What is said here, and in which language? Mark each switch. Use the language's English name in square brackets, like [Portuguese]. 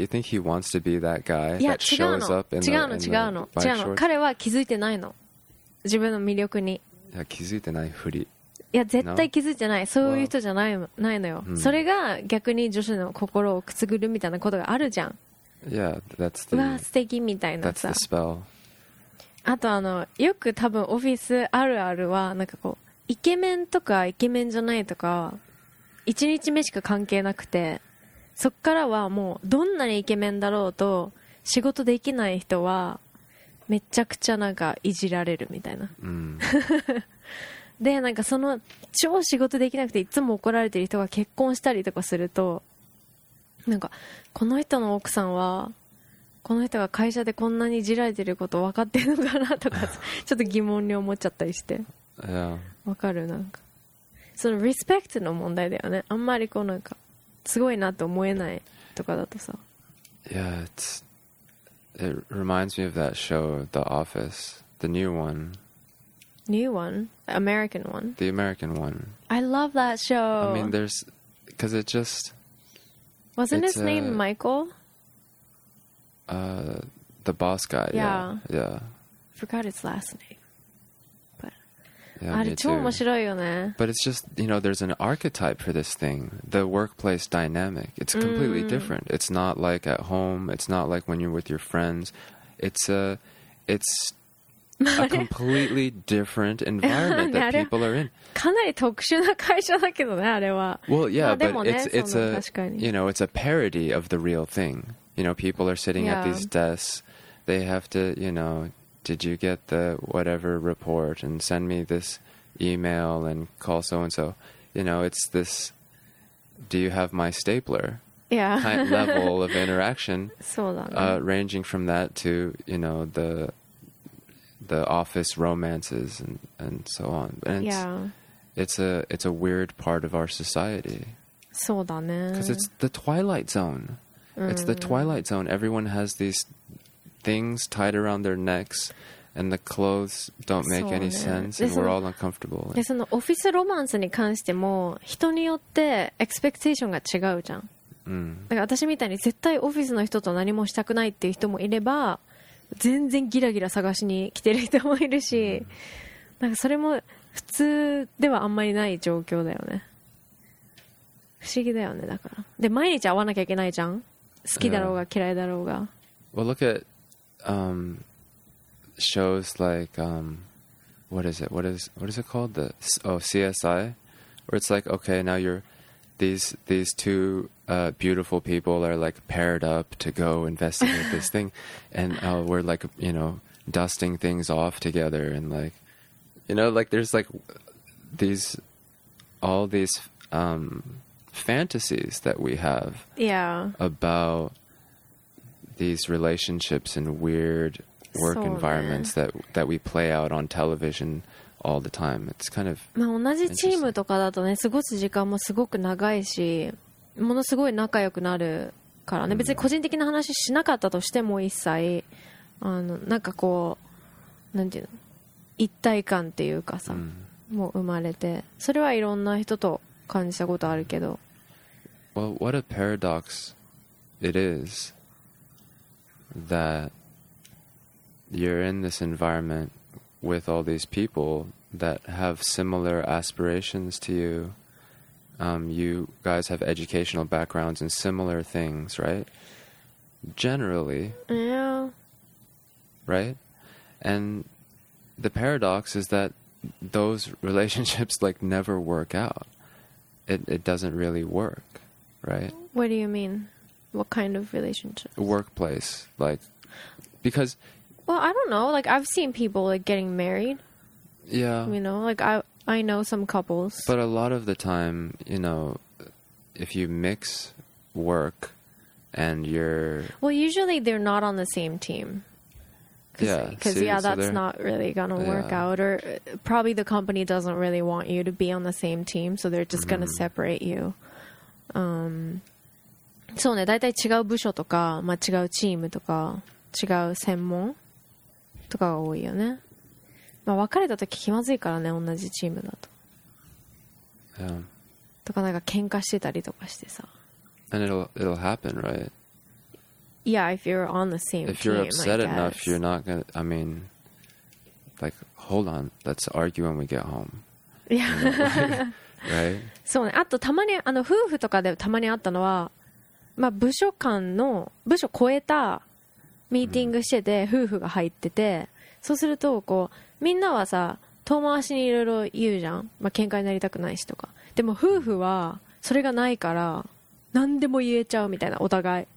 [English] You think he wants to be that guy that shows up in the bike shorts? [Japanese] 違うの、違うの。彼は気づいてないの。自分の魅力に。いや、気づいてないふり。いや、絶対気づいてない。そういう人じゃない、well, ないのよ。Hmm. それが逆に女子の心をくすぐるみたいなことがあるじゃん。 [English] Yeah, that's the, [Japanese] うわ、素敵みたいなさ。 [English] That's the spell. [Japanese] あとあのよく多分オフィスあるあるはなんかこうイケメンとかイケメンじゃないとか1日目しか関係なくてそっからはもうどんなにイケメンだろうと仕事できない人はめちゃくちゃなんかいじられるみたいな、うん、でなんかその超仕事できなくていつも怒られてる人が結婚したりとかするとなんかこの人の奥さんはこの人が会社でこんなにいじられてること分かってるのかなとかちょっと疑問に思っちゃったりして、 [English] yeah. [Japanese] 分かるなんかそのリスペクトの問題だよねあんまりこうなんかすごいなと思えないとかだとさ [English] Yeah, it reminds me of that show The Office, the new one. New one? American one? The American one. I love that show. I mean, there's, because it just Wasn't his name Michael? The boss guy. Yeah. Yeah. Forgot his last name. But yeah, [Japanese] あれ超面白いよね。 [English] But it's just, you know, there's an archetype for this thing. The workplace dynamic. It's completely different. It's not like at home. It's not like when you're with your friends. It's a completely different environment that people are in. [Japanese] かなり特殊な会社だけどね、あれは。 [English] Well, yeah, but it's a parody of the real thing. You know, people are sitting at these desks. They have to, you know, did you get the whatever report and send me this email and call so-and-so. You know, it's this, do you have my stapler? Yeah. Kind of level of interaction. So long. Ranging from that to, you know, the office romances and so on. And it's a weird part of our society. [Japanese] そうだね。 [English] Because it's the Twilight Zone. It's the Twilight Zone. Everyone has these things tied around their necks and the clothes don't make any sense and we're all uncomfortable. [Japanese] で、そのオフィスロマンスに関しても人によってエクスペクテーションが違うじゃん。だから私みたいに絶対オフィスの人と何もしたくないっていう人もいれば全然ギラギラ探しに来てる人もいるし、なんかそれも普通ではあんまりない状況だよね。不思議だよね、だから。で、毎日会わなきゃいけないじゃん。好きだろうが嫌いだろうが。 [English] Well, look at shows like what is it called? The CSI? Where it's like, okay, now you're these two beautiful people are like paired up to go investigate this thing, and we're like, you know, dusting things off together, and like, you know, like there's like these, all these fantasies that we have, yeah, about these relationships and weird work so environments weird. that we play out on television all the time. It's kind of [Japanese] まあ同じチームとかだとね、過ごす時間もすごく長いし、ものすごい仲良くなるからね。別に個人的な話しなかったとしても一切あのなんかこうなんていうの、一体感っていうかさ、もう生まれて、それはいろんな人と感じたことあるけど。 [English] Well, what a paradox it is that you're in this environment with all these people that have similar aspirations to you. You guys have educational backgrounds and similar things, right? Generally. Yeah. Right? And the paradox is that those relationships like never work out. It doesn't really work, right? What do you mean? What kind of relationship? Workplace, like, because... Well, I don't know. Like, I've seen people like getting married. Yeah. You know, like I know some couples. But a lot of the time, you know, if you mix work and you're... Well, usually they're not on the same team. Yeah. Because, yeah, that's so not really going to work out. Or probably the company doesn't really want you to be on the same team. So they're just going to separate you. [Japanese] そうね。大体違う部署とか、まあ、違うチームとか、違う専門とかが多いよね。まあ、別れた時気まずいからね、同じチームだと。 [English] Yeah. [Japanese] とかなんか喧嘩してたりとかしてさ。 [English] And it'll happen, right? Yeah, if you're on the same team. If you're team, upset I enough, you're not gonna, I mean, like, hold on, let's argue when we get home. Yeah. You know, like, right? [Japanese] そうね。あとたまに、あの、夫婦とかでたまにあったのは、まあ、部署間の、部署超えた、ミーティングしてて夫婦が入ってて、そうするとこうみんなはさ遠回しにいろいろ言うじゃん、まあ、喧嘩になりたくないしとか、でも夫婦はそれがないから何でも言えちゃうみたいな、お互い、